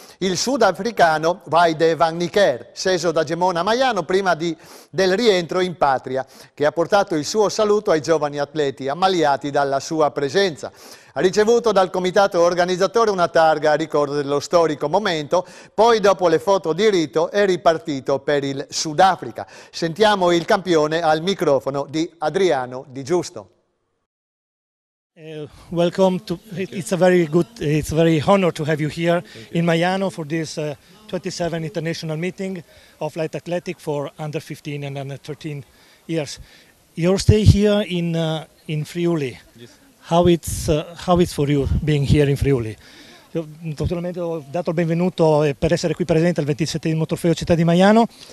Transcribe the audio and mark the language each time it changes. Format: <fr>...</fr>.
<it>Il sudafricano Wayde van Niekerk, sceso da Gemona a Maiano prima del rientro in patria, che ha portato il suo saluto ai giovani atleti ammaliati dalla sua presenza. Ha ricevuto dal comitato organizzatore una targa a ricordo dello storico momento, poi dopo le foto di rito è ripartito per il Sudafrica. Sentiamo il campione al microfono di Adriano Di Giusto.</it> <en>Welcome to. It's a very good. It's a very honor to have you here in Maiano for this 27 international meeting of light athletic for under 15 and under 13 years. Your stay here in Friuli. Yes. How it's for you being here in Friuli?</en> <it>Naturalmente ho dato il benvenuto per essere qui presente al 27esimo trofeo Città di Maiano.</it>